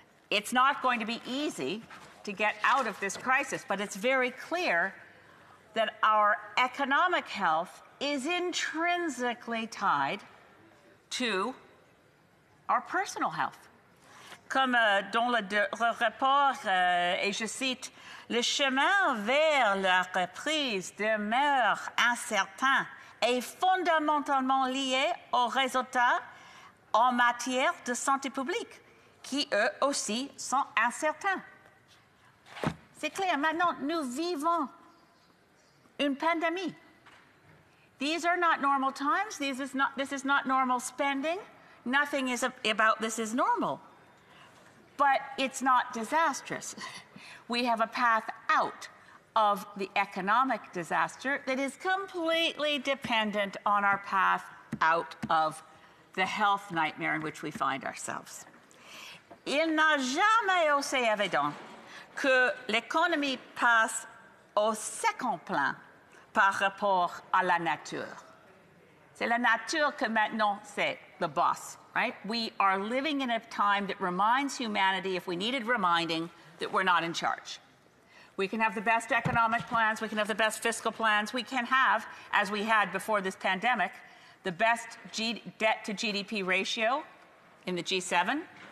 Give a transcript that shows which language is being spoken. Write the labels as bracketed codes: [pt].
[en] It's not going to be easy to get out of this crisis, but it's very clear that our economic health is intrinsically tied to our personal health. [fr] Comme dans le rapport, et je cite, le chemin vers la reprise demeure incertain et fondamentalement lié aux résultats en matière de santé publique, qui eux aussi sont incertains. C'est clair, maintenant nous vivons une pandémie. [en] These are not normal times. This is not normal spending. Nothing is about this is normal. But it's not disastrous. We have a path out of the economic disaster that is completely dependent on our path out of the health nightmare in which we find ourselves. [fr] Il n'a jamais aussi évident que l'économie passe au second plan par rapport à la nature. C'est la nature que maintenant c'est [en] the boss, right? We are living in a time that reminds humanity, if we needed reminding, that we're not in charge. We can have the best economic plans, we can have the best fiscal plans, we can have, as we had before this pandemic, the best debt to GDP ratio in the G7.